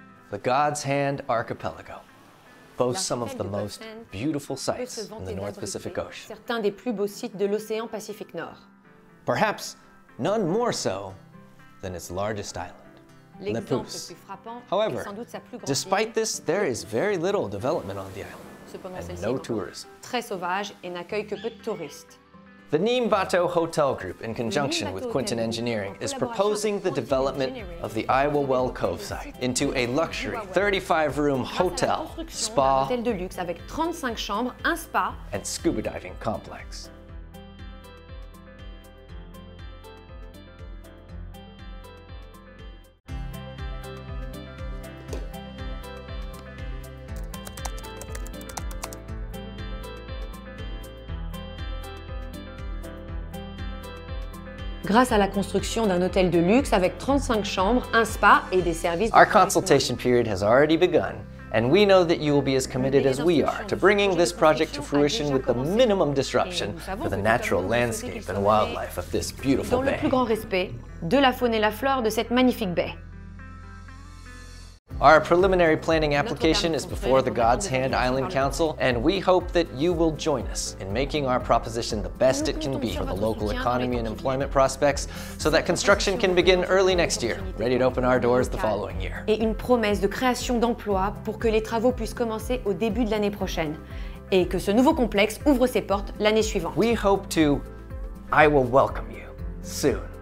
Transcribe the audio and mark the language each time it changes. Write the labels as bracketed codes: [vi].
[en] The God's Hand Archipelago boasts some of the most beautiful sites in the North Pacific Ocean. [fr] Certains des plus beaux sites de l'océan Pacifique Nord. [en] Perhaps none more so than its largest island, Lepus. However, despite this, there is very little development on the island, and no tourism. [fr] Très sauvage et n'accueille que peu de touristes. [en] The Neem Bateau Hotel Group, in conjunction with Quinton Engineering, is proposing the development of the Iowa Well Cove site into a luxury 35-room hotel, spa, and scuba diving complex. [fr] grâce à la construction d'un hôtel de luxe avec 35 chambres, un spa et des services. [en] Our consultation period has already begun, and we know that you will be as committed as we are to bringing this project to fruition with the minimum disruption for the natural landscape and wildlife of this beautiful bay. [fr] Dans le plus grand respect de la faune et la flore de cette magnifique baie. [en] Our preliminary planning application is before the God's Hand Island Council, and we hope that you will join us in making our proposition the best it can be for the local economy and employment prospects, so that construction can begin early next year, ready to open our doors the following year. [fr] Et une promesse de création d'emplois pour que les travaux puissent commencer au début de l'année prochaine, et que ce nouveau complexe ouvre ses portes l'année suivante. [en] We hope to... I will welcome you soon.